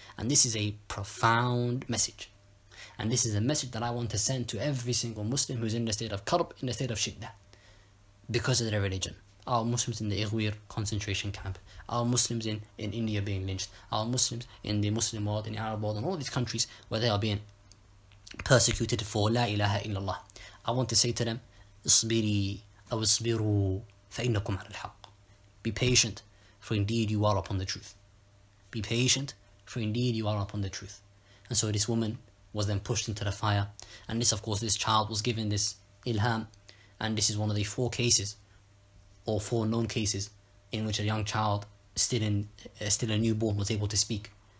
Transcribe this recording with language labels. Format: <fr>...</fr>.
<en>And this is a profound message. And this is a message that I want to send to every single Muslim who's in the state of Karb, in the state of Shiddah, because of their religion. Our Muslims in the Ighwir concentration camp, our Muslims in India being lynched, our Muslims in the Muslim world, in the Arab world, and all these countries where they are being persecuted for La ilaha illallah. I want to say to them,</en> <ar>اصبري أو اصبروا فإنكم على الحق.</ar> <en>Be patient, for indeed you are upon the truth. Be patient, for indeed you are upon the truth. And so this woman was then pushed into the fire. And this, of course, this child was given this ilham. And this is one of the four cases, or four known cases, in which a young child, still a newborn, was able to speak.</en>